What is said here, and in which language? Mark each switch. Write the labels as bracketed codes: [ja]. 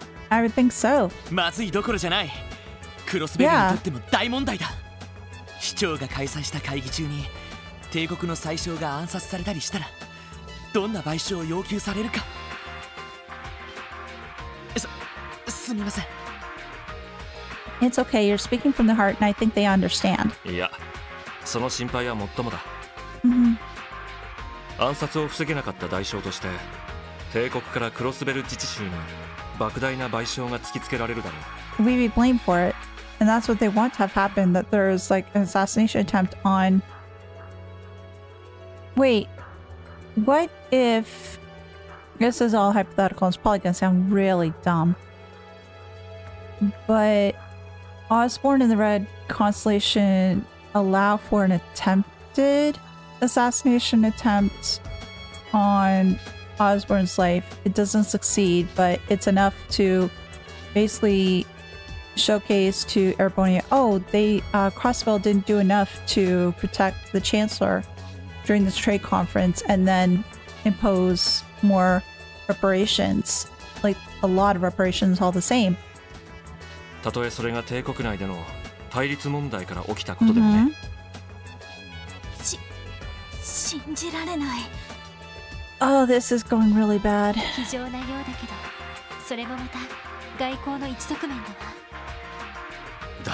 [en] I would think so. [ja] まずいどころじゃない。クロスベルにとっても大問題だ。市長が開催した会議中に帝国の宰相が暗殺されたりしたらどんな賠償を要求されるか。すみません。 [en] It's okay, you're speaking from the heart and I think they understand. [ja] いや、その心配はもっともだ。暗殺を防げなかった代償として帝国からクロスベル自治市に莫大な賠償が突きつけられるだろう。 [en] We'd be blamed for it. And that's what they want to have happen, that there's like an assassination attempt on... Wait, what if... This is all hypothetical, it's probably gonna sound really dumb. But... Osborne and the Red Constellation allow for an attempted assassination attempt on Osborne's life. It doesn't succeed, but it's enough to basically showcase to Erebonia, oh, Crossbell didn't do enough to protect the Chancellor during this trade conference and then impose more reparations, like a lot of reparations all the same. [ja] たとえそれが帝国内での対立問題から起きたことでもね。信じられない。 [en] Oh, this is going really bad. [ja] 非常なようだけど、それもまた外交の一側面だな。